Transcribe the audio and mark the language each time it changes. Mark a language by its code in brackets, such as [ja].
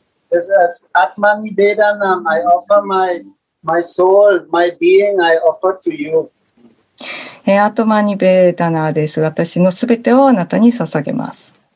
[en] This is Atmani Vedanam. I offer my soul, my being, I offer to you. [ja] Atmani Vedanam です。私のすべてをあなたに捧げます。